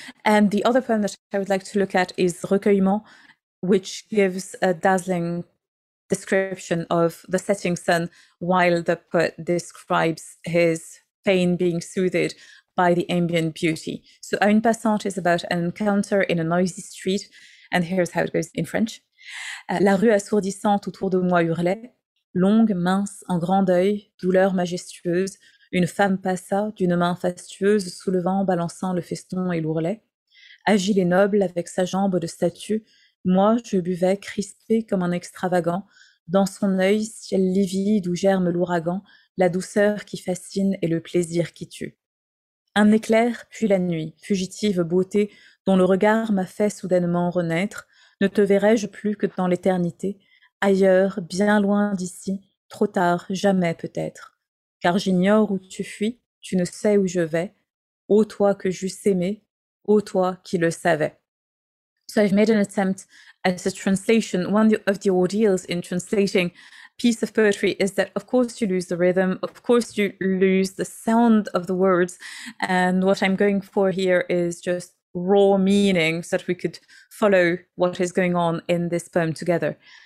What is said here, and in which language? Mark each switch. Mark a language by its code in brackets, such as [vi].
[en] And the other poem that I would like to look at is Recueillement, which gives a dazzling description of the setting sun while the poet describes his pain being soothed by the ambient beauty. So A une passante is about an encounter in a noisy street, and here's how it goes in French. [fr] La rue assourdissante autour de moi hurlait, longue, mince, en grand deuil, douleur majestueuse, une femme passa d'une main fastueuse, soulevant, balançant le feston et l'ourlet. Agile et noble, avec sa jambe de statue, moi je buvais, crispé comme un extravagant, dans son œil, ciel livide où germe l'ouragan, la douceur qui fascine et le plaisir qui tue. Un éclair, puis la nuit, fugitive beauté, dont le regard m'a fait soudainement renaître, ne te verrai-je plus que dans l'éternité, ailleurs, bien loin d'ici, trop tard, jamais peut-être. Car j'ignore où tu fuis, tu ne sais où je vais, ô toi que j'eusse aimé, ô toi qui le savais. [en] So I've made an attempt as a translation. One of the ordeals in translating piece of poetry is that of course you lose the rhythm, of course you lose the sound of the words, and what I'm going for here is just raw meaning so that we could follow what is going on in this poem together.